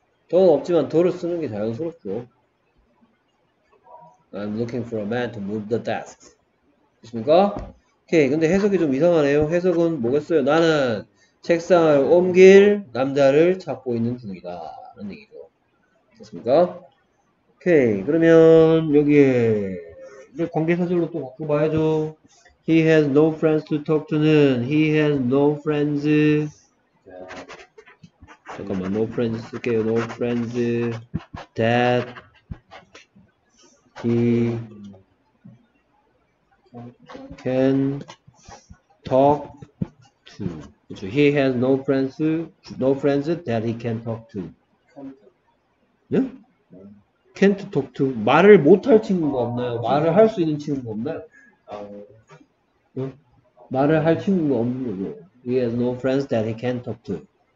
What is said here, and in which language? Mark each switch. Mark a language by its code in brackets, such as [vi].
[ko] 돈은 없지만 돈을 쓰는 게 자연스럽죠. [en] I'm looking for a man to move the desks. [ko] 됐습니까? 오케이. 근데 해석이 좀 이상하네요. 해석은 뭐겠어요? 나는 책상을 옮길 남자를 찾고 있는 중이다. 라는 얘기죠. 됐습니까? 오케이. 그러면 여기에 이제 관계사절로 또 바꿔봐야죠. [en] He has no friends to talk to는 He has no friends. [ko] 잠깐만, [en] no friends [ko] 쓸게요. [en] No friends that he can talk to. [ko] 그쵸? [en] He has no friends, no friends that he can talk to. Yeah? Can't talk to. [ko] 말을 못할 친구가 없나요? 말을 할 수 있는 친구가 없나요? 말을 할 친구가 없는 거죠. [en] He has no friends that he can't talk to.